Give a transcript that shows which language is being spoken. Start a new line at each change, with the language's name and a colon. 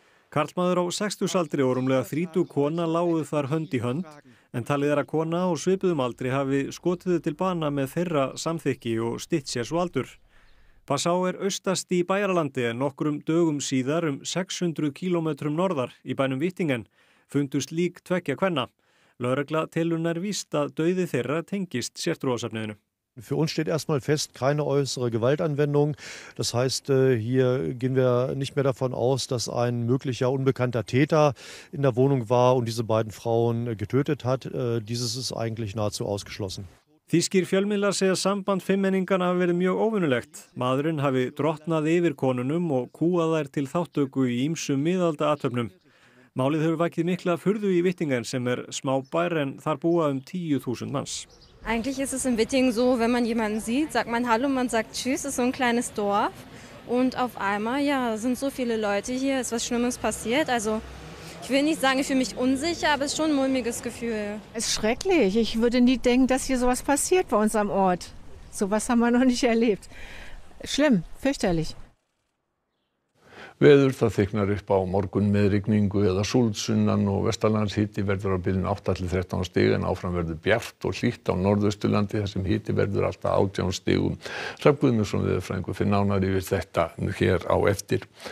Icelandic: Karlmaður á 60-saldri og rúmlega 30 kona lágu þar hönd í hönd, en talið er að kona á svipuðum aldri hafi skotið til bana með þeirra samþykki og stytt sér svo aldur. Passá er austast í Bæjaralandi en nokkrum dögum síðar 600 km norðar í bænum Vittingen fundust lík tveggja kvenna. Lögregla telur nær víst að dauði þeirra tengist sértrúarsöfnuðinu.
German: Für uns steht erstmal fest, keine äußere Gewaltanwendung. Das heißt, hier gehen wir nicht mehr davon aus, dass ein möglicher unbekannter Täter in der Wohnung war und diese beiden Frauen getötet hat. Dieses ist eigentlich nahezu ausgeschlossen.
Icelandic: Þýskir fjölmiðlar segja samband fimmenningana hafi verið mjög óvenjulegt. Maðurinn hafi drottnað yfir konunum og kúað þær til þáttöku í ýmsum miðalda athöfnum. Málið hefur vakið mikla furðu í Vittingen sem smá bær en þar búa 10.000 manns.
German: Eigentlich ist es in Wittingen so, wenn man jemanden sieht, sagt man hallo, man sagt tschüss, es ist so ein kleines Dorf und auf einmal, ja, sind so viele Leute hier, ist was Schlimmes passiert, also ich will nicht sagen, ich fühle mich unsicher, aber es ist schon ein mulmiges Gefühl. Es ist schrecklich, ich würde nie denken, dass hier sowas passiert bei uns am Ort. Sowas haben wir noch nicht erlebt. Schlimm, fürchterlich.
Icelandic: Veður það þykknar upp á morgun með rigningu eða súldsunnan og vestalands hiti verður á bilinu 8-13 stig en áfram verður bjart og hlýtt á norðausturlandi þar sem hiti verður alltaf 18 stigum. Hrafn Guðmundsson veðurfræðingur fyrir nánar yfir þetta hér á eftir.